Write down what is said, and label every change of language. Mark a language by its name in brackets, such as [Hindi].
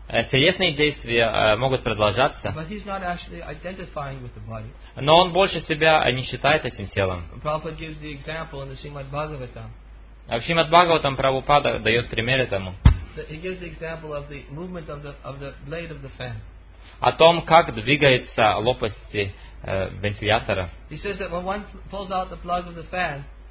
[Russian] Телесные действия могут продолжаться. [English] But he's not actually identifying with the body. [Russian] Но он больше себя не считает этим телом. [English] Prabhupada gives the example in the Srimad Bhagavatam. [Russian] В Шримад Бхагаватам Прабхупада дает пример этому. [English] He gives the example of the movement of the blade of the fan. [Russian] О том, как двигается лопасти вентилятора. [English] He says that when one pulls out the plug of the fan,